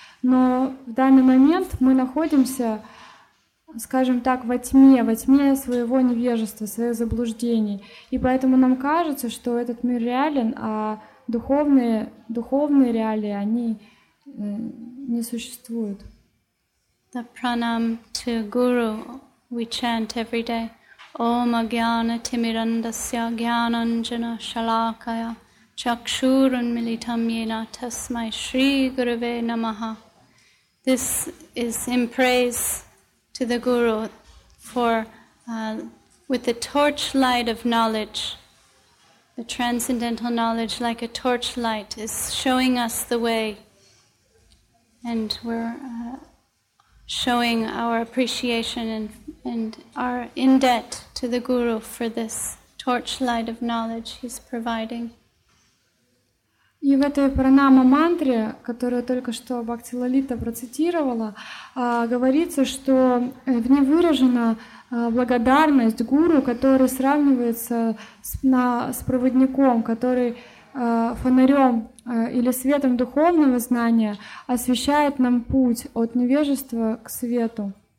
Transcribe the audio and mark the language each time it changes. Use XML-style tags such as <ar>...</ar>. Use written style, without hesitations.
<ru>Но в данный момент мы находимся, скажем так, во тьме своего невежества, своих заблуждений. И поэтому нам кажется, что этот мир реален, а духовные реалии, они не существуют.</ru> <en>The pranam to guru we chant every day.</en> <sa>Om agyana timirandasya gyananjana shalakaya chakshurun militam yena tasmai shri gurave namaha.</sa> <en>This is in praise to the guru for with the torchlight of knowledge, the transcendental knowledge like a torchlight is showing us the way, and we're showing our appreciation and are in debt to the guru for this torchlight of knowledge he's providing.</en> <ru>И в этой пранама-мантре, которую только что Бхакти Лалита процитировала, говорится, что в ней выражена благодарность гуру, который сравнивается с проводником, который фонарем или светом духовного знания освещает нам путь от невежества к свету.</ru>